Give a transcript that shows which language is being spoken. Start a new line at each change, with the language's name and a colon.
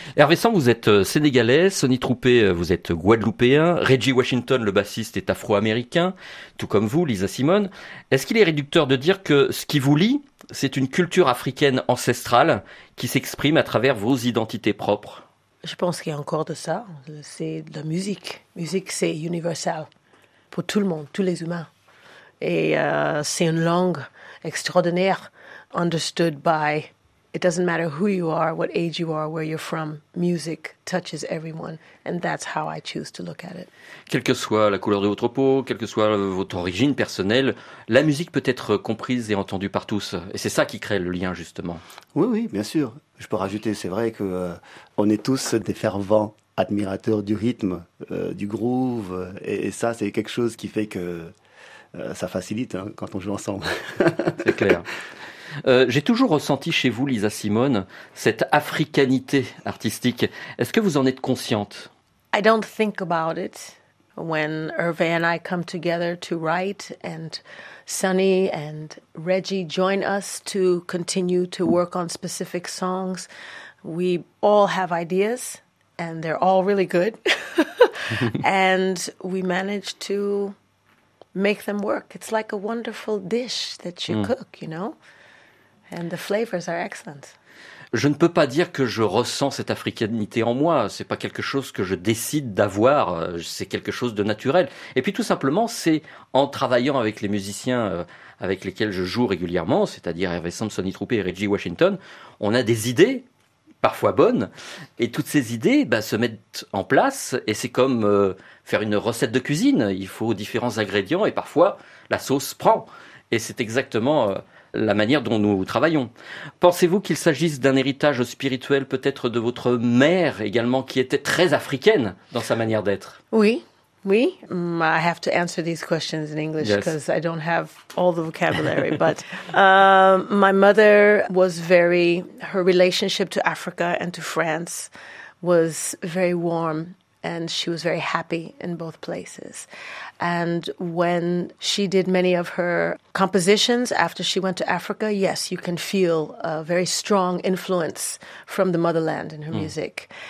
French: Hervé Sang, vous êtes sénégalais, Sonny Troupé, vous êtes guadeloupéen, Reggie Washington, le bassiste, est afro-américain, tout comme vous, Lisa Simone. Est-ce qu'il est réducteur de dire que ce qui vous lie, c'est une culture africaine ancestrale qui s'exprime à travers vos identités propres? Je pense qu'il y a encore de ça, c'est de la musique. Musique, c'est universel pour tout le monde, tous les humains. Et c'est une langue extraordinaire,
English: understood by, it doesn't matter who you are, what age you are, where you're from, music touches everyone, and that's how I choose to look at it.
French: Quelle que soit la couleur de votre peau, quelle que soit votre origine personnelle, la musique peut être comprise et entendue par tous, et c'est ça qui crée le lien justement. Oui, oui, bien sûr. Je peux rajouter, c'est vrai qu'on est tous des fervents admirateurs du rythme, du groove, et ça c'est quelque chose qui fait que ça facilite hein, quand on joue ensemble. C'est clair. J'ai toujours ressenti chez vous, Lisa Simone, cette africanité artistique. Est-ce que vous en êtes consciente?
English: I don't think about it when Hervé and I come together to write and Sonny and Reggie join us to continue to work on specific songs. We all have ideas and they're all really good. And we manage to make them work. It's like a wonderful dish that you cook, you know? And the flavors are excellent.
French: Je ne peux pas dire que je ressens cette africanité en moi. Ce n'est pas quelque chose que je décide d'avoir. C'est quelque chose de naturel. Et puis tout simplement, c'est en travaillant avec les musiciens avec lesquels je joue régulièrement, c'est-à-dire Hervé Sang, Sonny Troupé et Reggie Washington, on a des idées, parfois bonnes, et toutes ces idées se mettent en place. Et c'est comme faire une recette de cuisine. Il faut différents ingrédients et parfois, la sauce prend. Et c'est exactement la manière dont nous travaillons. Pensez-vous qu'il s'agisse d'un héritage spirituel peut-être de votre mère également qui était très africaine dans sa manière d'être? Oui, oui.
English: I have to answer these questions in English because I don't have all the vocabulary. But my mother was very, her relationship to Africa and to France was very warm. And she was very happy in both places. And when she did many of her compositions after she went to Africa, yes, you can feel a very strong influence from the motherland in her music.